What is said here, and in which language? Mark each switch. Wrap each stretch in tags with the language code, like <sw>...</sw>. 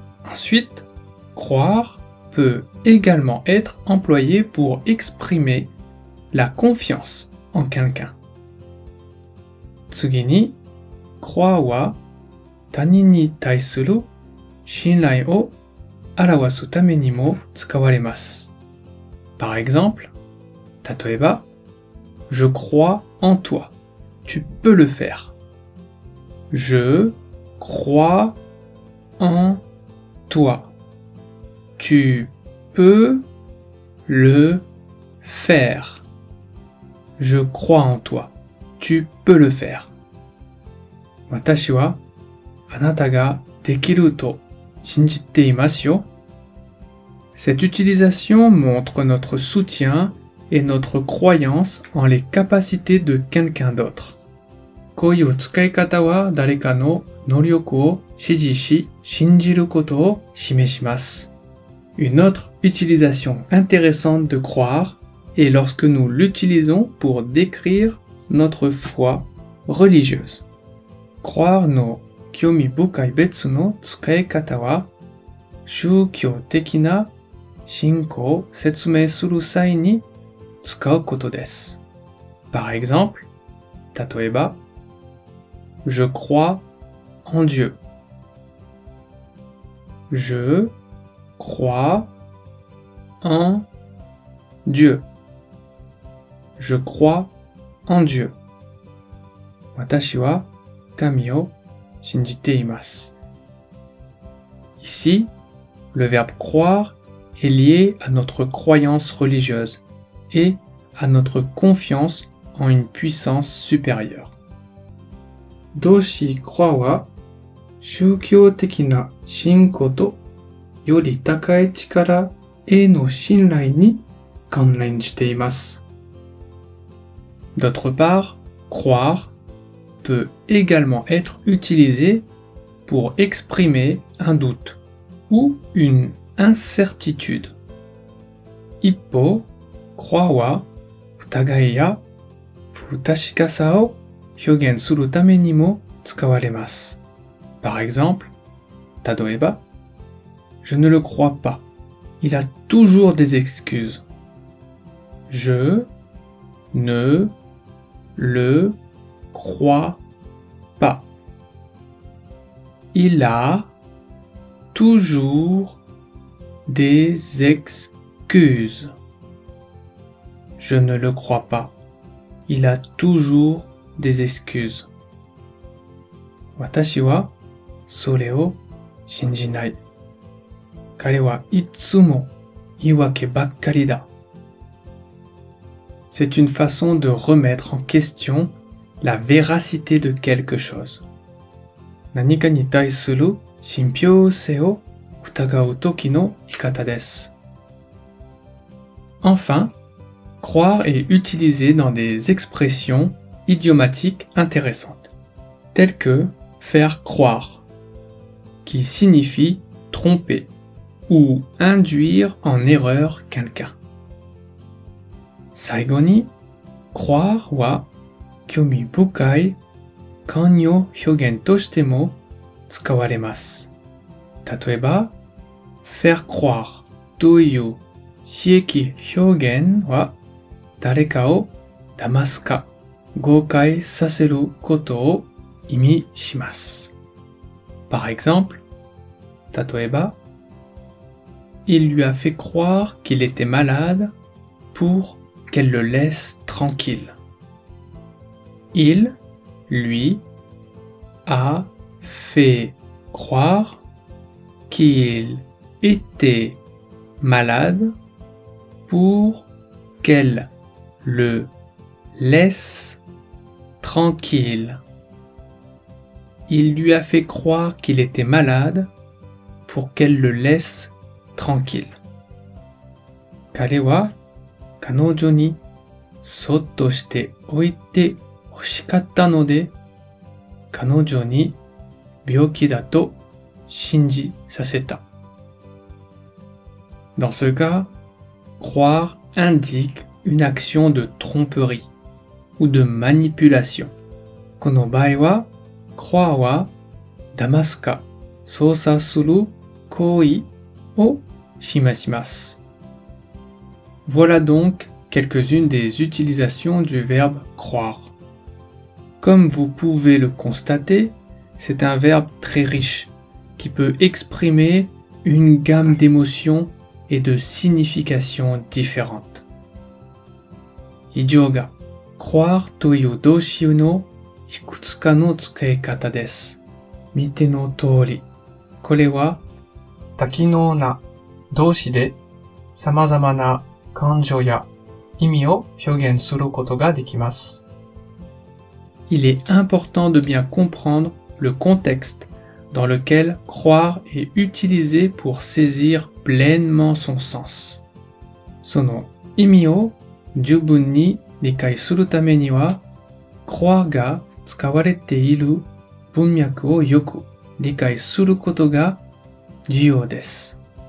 <fr>Ensuite, croire peut également être employé pour exprimer la confiance en quelqu'un.</fr> <ja>次に、 croire は他人に対する信頼を表すためにも使われます。</ja> <fr>Par exemple,</fr> <ja>例えば、</ja> <fr>Je crois en toi. Tu peux le faire. Je crois en toi. Tu peux le faire. Je crois en toi. Tu peux le faire.</fr> <ja>私はあなたができると信じていますよ。</ja> <fr>Cette utilisation montre notre soutien et notre croyance en les capacités de quelqu'un d'autre.</fr> <ja>こういう使い方は誰かの能力を支持し、信じることを示します。</ja> <fr>Une autre utilisation intéressante de croire est lorsque nous l'utilisons pour décrire notre foi religieuse.</fr> <ja>Croire の興味深い別の使い方は、宗教的な信仰を説明する際に使うことです。</ja> <fr>Par exemple,</fr> <ja>例えば、</ja> <fr>Je crois en Dieu. Je crois en Dieu. Je crois en Dieu.</fr> <ja>私は神を信じています。</ja> <fr>Ici, le verbe croire est lié à notre croyance religieuse et à notre confiance en une puissance supérieure.</fr> <ja>動詞croire は宗教的な信仰とより高い力への信頼に関連しています。</ja> <fr>D'autre part, croire peut également être utilisé pour exprimer un doute ou une incertitude.</fr> <ja>一方、croire は疑いや不確かさを表現するためにも使われます。</ja> <fr>Par exemple, 例えば、Je ne le crois pas. Il a toujours des excuses. Je ne le crois pas. Il a toujours des excuses. Je ne le crois pas. Il a toujours des excuses.</fr> <ja>私はそれを信じない。彼はいつも言い訳ばっかりだ。</ja> <fr>C'est une façon de remettre en question la véracité de quelque chose.</fr> <ja>何かに対する信憑性を疑う時の言い方です。</ja> <fr>Enfin, croire est utilisé dans des expressions idiomatique intéressante, telle que faire croire, qui signifie tromper ou induire en erreur quelqu'un.</fr> <ja>最後に、croire は興味深い慣用表現としても使われます。例えば、faire croire という私益表現は誰かを騙すか。誤解させることを意味します。</ja> <fr>Par exemple,</fr> <ja>例えば、</ja> <fr>Il lui a fait croire qu'il était malade pour qu'elle le laisse tranquille. Il lui a fait croire qu'il était malade pour qu'elle le laisse tranquille. Il lui a fait croire qu'il était malade pour qu'elle le laisse tranquille.</fr> <ja>彼は彼女にそっとしておいて欲しかったので、彼女に病気だと信じさせた。</ja> <fr>Dans ce cas, croire indique une action de tromperie ou de manipulation.</fr> <ja>この場合は、croire は、騙すか、操作する行為を示します。</ja> <fr>Voilà donc quelques-unes des utilisations du verbe croire. Comme vous pouvez le constater, c'est un verbe très riche qui peut exprimer une gamme d'émotions et de significations différentes.</fr> <ja>以上が croire という動詞のいくつかの使い方です。見ての通り、これは多機能な動詞で様々な感情や意味を表現することができます。</ja> <fr>Il est important de bien comprendre le contexte dans lequel croire est utilisé pour saisir pleinement son sens.</fr> <ja>その意味を十分に理解するためには、croire が使われている文脈をよく理解することが重要です。</ja>